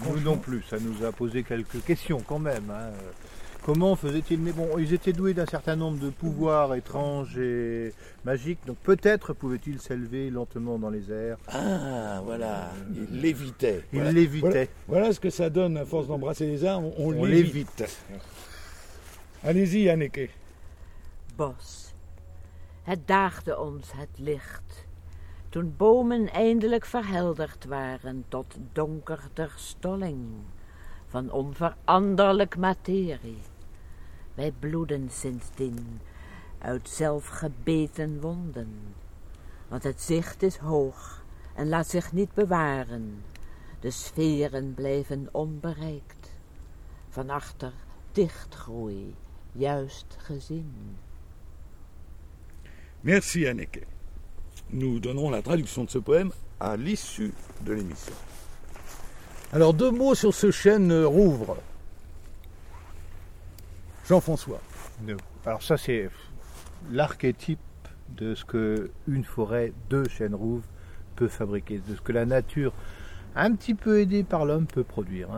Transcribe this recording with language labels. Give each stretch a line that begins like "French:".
French: Nous non plus, ça nous a posé quelques questions quand même. Hein. Comment faisaient-ils? Bon, ils étaient doués d'un certain nombre de pouvoirs étranges et magiques, donc peut-être pouvaient-ils s'élever lentement dans les airs. Ah, voilà, ils lévitaient. Ils lévitaient. Voilà ce que ça donne à force d'embrasser les arbres, on lévite. Allez-y, Anneke.
Dutch: Bos, het daagde ons het licht. Toen bomen eindelijk verhelderd waren tot donkerder stolling van onveranderlijk materie. Wij bloeden sindsdien uit zelfgebeten wonden, want het zicht is hoog en laat zich niet bewaren. De sferen blijven onbereikt, van achter dichtgroei juist gezien.
French: Merci, Anneke. Nous donnerons la traduction de ce poème à l'issue de l'émission. Alors, deux mots sur ce chêne rouvre. Jean-François. Alors ça, c'est l'archétype de ce que une forêt de chêne rouvre peut fabriquer, de ce que la nature, un petit peu aidée par l'homme, peut produire.